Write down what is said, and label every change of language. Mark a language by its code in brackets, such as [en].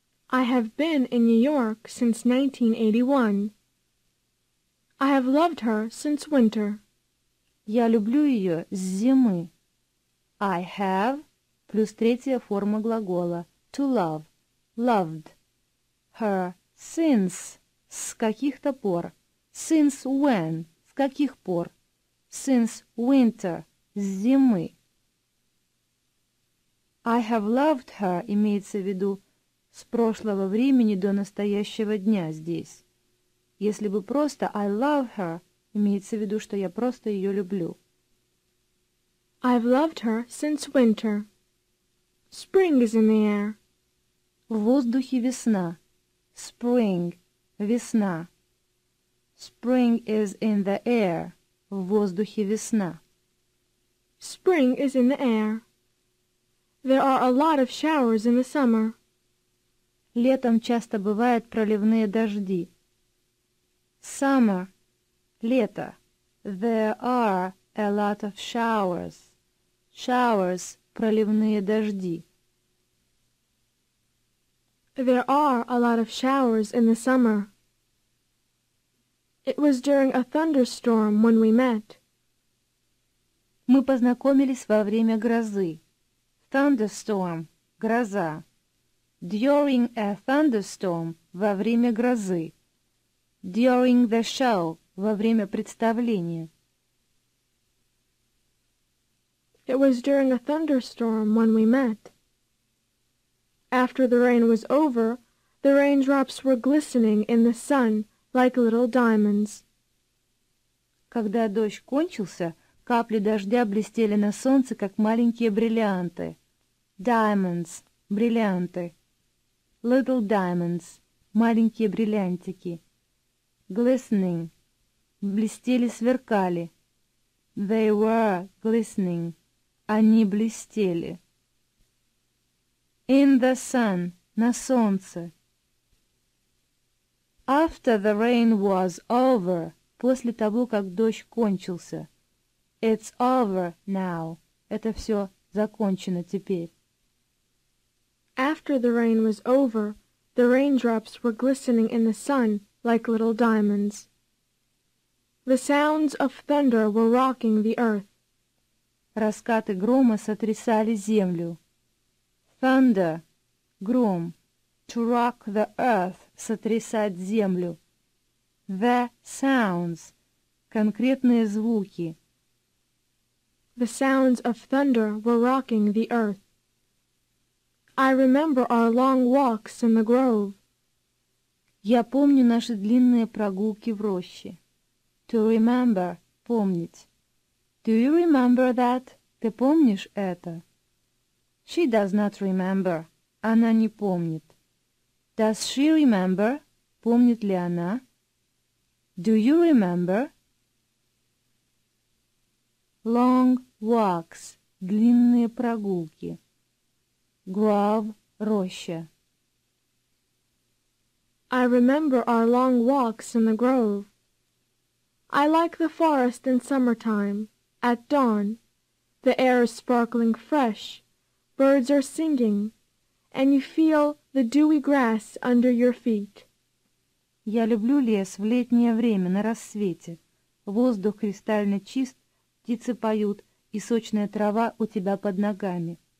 [en] I have been in New York since 1981. I have loved her since winter. [ru] Я люблю ее с зимы. [en] I have [ru] плюс третья форма глагола [en] to love, loved her since, [ru] с каких-то пор, [en] since when, [ru] с каких пор, [en] since winter, [ru] с зимы. [en] I have loved her [ru] имеется в виду с прошлого времени до настоящего дня здесь. Если бы просто [en] I love her, [ru] имеется в виду, что я просто ее люблю. [en] I've loved her since winter. Spring is in the air. [ru] В воздухе весна. [en] Spring. [ru] Весна. [en] Spring is in the air. [ru] В воздухе весна. [en] Spring is in the air. There are a lot of showers in the summer. [ru] Летом часто бывают проливные дожди. [en] Summer. [ru] Лето. [en] There are a lot of showers. [ru] Showers. Проливные дожди. [en] There are a lot of showers in the summer. It was during a thunderstorm when we met. [ru] Мы познакомились во время грозы. [en] Thunderstorm. Гроза. During a thunderstorm, [ru] во время грозы. [en] During the show, [ru] во время представления. [en] It was during a thunderstorm when we met. After the rain was over, the raindrops were glistening in the sun like little diamonds. [ru] Когда дождь кончился, капли дождя блестели на солнце, как маленькие бриллианты. [en] Diamonds. [ru] Бриллианты. [en] Little diamonds. [ru] Маленькие бриллиантики. [en] Glistening. [ru] Блестели, сверкали. [en] They were glistening. [ru] Они блестели. [en] In the sun. [ru] На солнце. [en] After the rain was over. [ru] После того, как дождь кончился. [en] It's over now. [ru] Это все закончено теперь. [en] After the rain was over, the raindrops were glistening in the sun like little diamonds. The sounds of thunder were rocking the earth. [ru] Раскаты грома сотрясали землю. [en] Thunder, [ru] гром. [en] To rock the earth, [ru] сотрясать землю. [en] The sounds, [ru] конкретные звуки. [en] The sounds of thunder were rocking the earth. I remember our long walks in the grove. [ru] Я помню наши длинные прогулки в роще. [en] To remember, [ru] помнить. [en] Do you remember that? [ru] Ты помнишь это? [en] She does not remember. [ru] Она не помнит. [en] Does she remember? [ru] Помнит ли она? [en] Do you remember? Long walks. [ru] Длинные прогулки. [en] Grove, роща. I remember our long walks in the grove. I like the forest in summertime, at dawn. The air is sparkling fresh, birds are singing, and you feel the dewy grass under your feet. [ru] Я люблю лес в летнее время, на рассвете. Воздух кристально чист, птицы поют, и сочная трава у тебя под ногами.